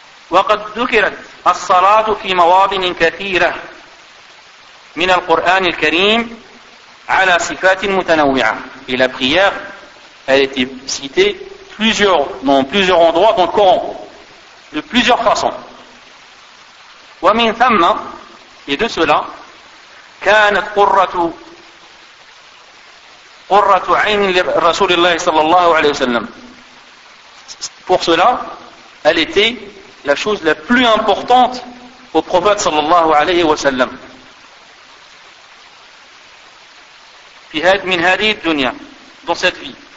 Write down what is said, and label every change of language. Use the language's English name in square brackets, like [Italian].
[Arabic] وَقَدْ ذُكِرَتْ الصَّلَاةُ فِي مَوَاضِنٍ كَثِيرَةٍ مِنَ الْقُرْآنِ الْكَرِيمِ عَلَى صِفَاتٍ مُتَنَوِّعَةٍ. [French] Et la prière, elle a été citée dans plusieurs endroits dans le Coran, de plusieurs façons. [Arabic] وَمِنْ ثَمَّ [French] Et de cela, [Arabic] كانت قرة عين رسول الله صلى الله عليه وسلم. [French] Pour cela, elle était la chose la plus importante au prophète [Arabic] صلى الله عليه وسلم. في هذه من هذه الدنيا, [French] dans cette vie.